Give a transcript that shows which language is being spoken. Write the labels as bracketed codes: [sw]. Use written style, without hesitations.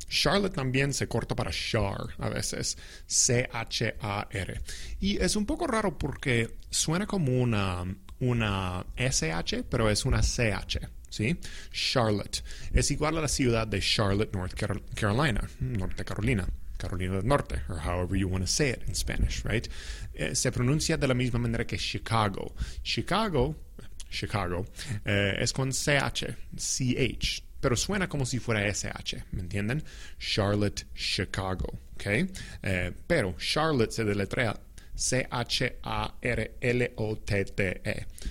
[es] Charlotte también se corta para char a veces. C-H-A-R. Y es un poco raro porque suena como una S-H, pero es una C-H. ¿Sí? Charlotte. Es igual a la ciudad de Charlotte, North Carolina. Norte Carolina. Carolina del Norte. [en] Or however you want to say it in Spanish, right? [es] Se pronuncia de la misma manera que Chicago. Chicago. Chicago. Es con C-H. C-H. Pero suena como si fuera SH, ¿me entienden? Charlotte, Chicago, ¿ok? Pero Charlotte se deletrea C-H-A-R-L-O-T-T-E.